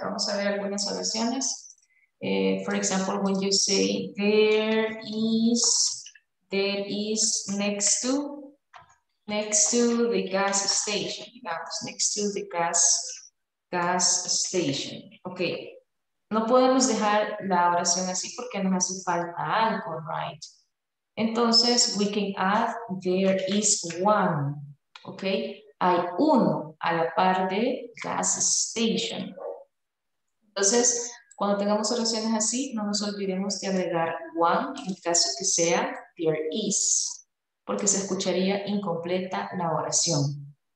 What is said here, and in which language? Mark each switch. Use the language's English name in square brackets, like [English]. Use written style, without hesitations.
[English] Vamos a ver algunas oraciones. For example, when you say there is next to the gas station, digamos, next to the gas station. [Spanish] Okay, no podemos dejar la oración así porque nos hace falta algo, right? [English] Entonces, we can add there is one, okay? [Spanish] Hay uno a la par de gas station. Entonces, cuando tengamos oraciones así, no nos olvidemos de agregar one en caso que sea there is, porque se escucharía incompleta la oración.